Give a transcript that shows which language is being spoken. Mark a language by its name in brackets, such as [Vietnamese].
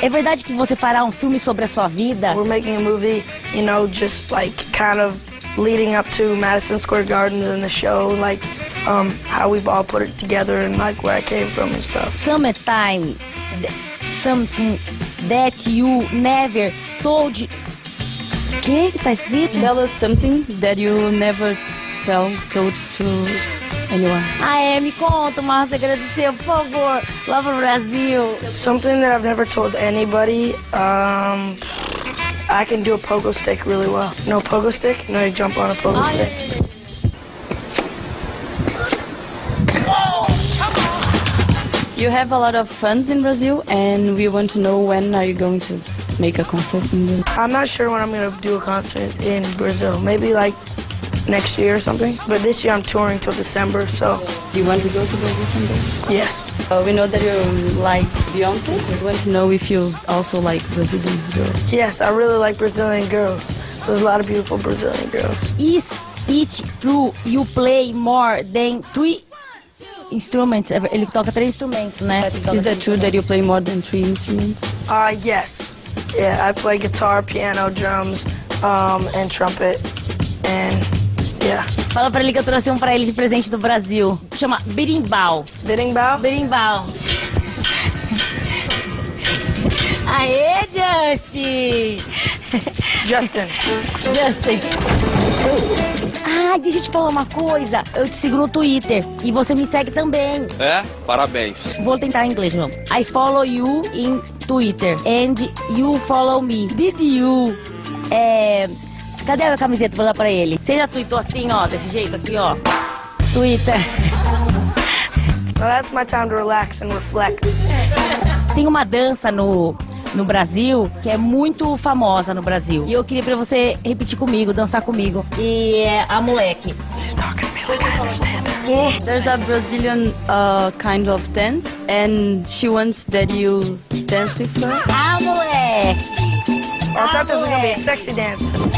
[Portuguese] É verdade que você fará filme sobre a sua vida? [English] We're making a movie, you know, just like kind of leading up to Madison Square Garden and the show, like how we've all put it together and like where I came from and stuff. Summertime, something that you never told. [Portuguese] Que tá escrito? [English] Tell us something that you never told to anyone. [Portuguese] Ah, é, me conta uma segredo seu, por favor. [English] Love [Portuguese] o Brasil. [English] Something that I've never told anybody. I can do a pogo stick really well. No pogo stick? No, you jump on a pogo stick. You have a lot of fans in Brazil, and we want to know when are you going to make a concert in Brazil? I'm not sure when I'm going to do a concert in Brazil. Maybe like next year or something. But this year I'm touring till December, so. Do you want to go to Brazil someday? Yes. We know that you like Beyonce. We want to know if you also like Brazilian girls. Yes, I really like Brazilian girls. There's a lot of beautiful Brazilian girls. Is it true you play more than three instruments? [Portuguese] Ele toca três instrumentos, né? [English] Is that true that you play more than three instruments? Yes. Yeah, I play guitar, piano, drums, and trumpet. And, yeah. [Portuguese] Fala pra ele que eu trouxe pra ele de presente do Brasil. Chama berimbau. Berimbau? Berimbau. Aê, Justin! Justin. Justin. Ah, deixa eu te falar uma coisa. Eu te sigo no Twitter e você me segue também. É? Parabéns. Vou tentar em inglês, meu. [English] I follow you in Twitter and you follow me. Did you? [Portuguese] É... Cadê a camiseta? Vou dar pra ele. Você já tweetou assim, ó, desse jeito aqui, ó. Twitter. [English] Well, that's my time to relax and reflect. [Portuguese] Tem uma dança no Brasil que é muito famosa no Brasil. E eu queria pra você repetir comigo, dançar comigo. E é a moleque. [English] She's talking to me like I understand her. Yeah. There's a Brazilian kind of dance and she wants that you dance with her. [Portuguese] A moleque. [English] I thought this was gonna be a sexy dance.